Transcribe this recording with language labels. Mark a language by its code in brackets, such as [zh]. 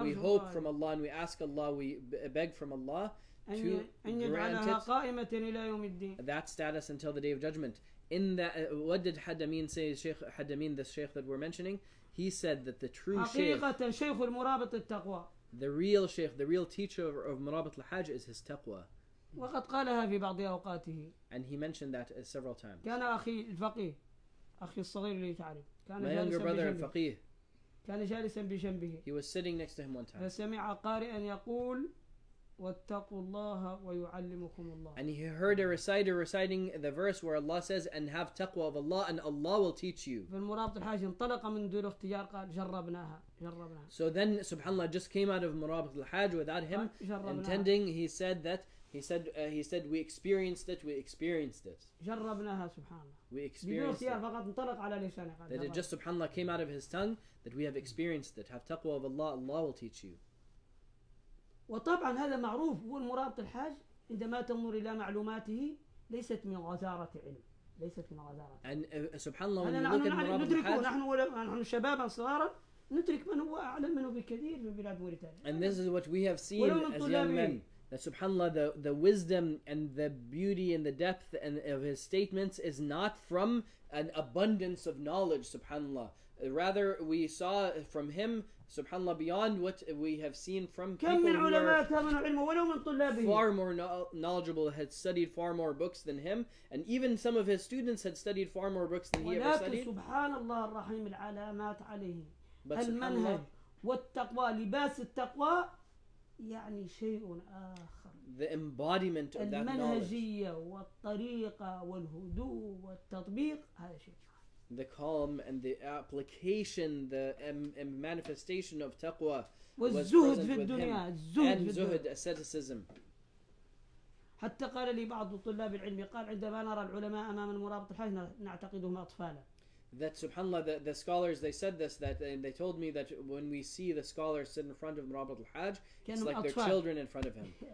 [en] We hope from Allah and we ask Allah, we beg from Allah to grant it that status until the Day of Judgment. In that, what did Hadamin say, Sheikh Hadamin, the Sheikh that we're mentioning? He said that the true Sheikh, the real Sheikh, the real teacher of Murabit al-Hajj is his taqwa. [ar] وقد قالها في بعض أوقاته. [en] And he mentioned that several times. [ar] كان أخي الفقيه، أخي الصغير اللي تعرف. كان [en] My younger brother and فقيه. [ar] كان جالسا بجنبه. [en] He was sitting next to him one time. [ar] فسمع قارئا يقول واتقوا الله ويعلمكم الله. [en] And he heard a reciter reciting the verse where Allah says and have taqwa of Allah and Allah will teach you. [ar] فالمرابط الحاج انطلق من دور اختيار قال جربناها. جربناها. [en] So then subhanAllah just came out of مرابط الحاج without him intending. He said that He said, we experienced it. [ar] جربناها سبحانه. [en] We experienced it. [ar] فقط انطلق على لسانه. [en] That it just سبحانه came out of his tongue that we have experienced it. Have taqwa of Allah. Allah will teach you. [ar] وطبعا هذا معروف هو المرابط الحاج عندما تنظر إلى معلوماته ليست من غزارة علم ليست من غزارة. [en] And سبحانه when you look at المرابط الحاج. [ar] نحن شبابا صغارا. نترك من هو أعلم منه بكثير من بلاد موريتانيا. [en] And this is what we have seen as young men. That subhanAllah, the wisdom and the beauty and the depth and of his statements is not from an abundance of knowledge, subhanAllah. Rather, we saw from him, subhanAllah, beyond what we have seen from people who are far more knowledgeable, had studied far more books than him, and even some of his students had studied far more books than he ever studied. [ar] سبحانAllah الرحيم العلامات عليه المنهج والتقوى لباس التقوى يعني شيء آخر. [en] The embodiment of that knowledge. [ar] المنهجية والطريقة والهدوء والتطبيق هذا شيء. [en] The calm and the application, the manifestation of taqwa. [ar] والزهد في الدنيا. [en] And زهد asceticism. [ar] حتى قال لي بعض طلاب العلم قال عندما نرى العلماء أمام المرابط الحاج نعتقدهم أطفالا. [en] That subhanAllah, the scholars, they said this, that they told me that when we see the scholars sit in front of Murabit al-Hajj, it's like they're children in front of him.